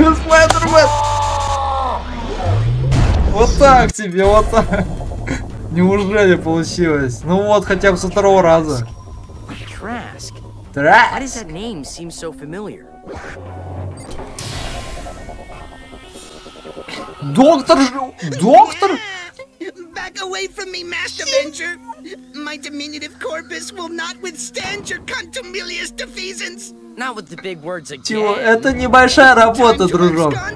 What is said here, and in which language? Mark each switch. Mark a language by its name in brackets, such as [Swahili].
[Russian] Спайдермен! Вот так тебе, вот так! Неужели получилось? Ну вот, хотя бы со второго раза. Траск? Траск? [English] Why does that name seem so familiar? [Russian] Доктор же... Доктор? [English] Back away from me, Mash Avenger! My diminutive corpus will not withstand your contumelious defeasance! Not with the big words again. [Russian] Чего? Это небольшая работа, дружок.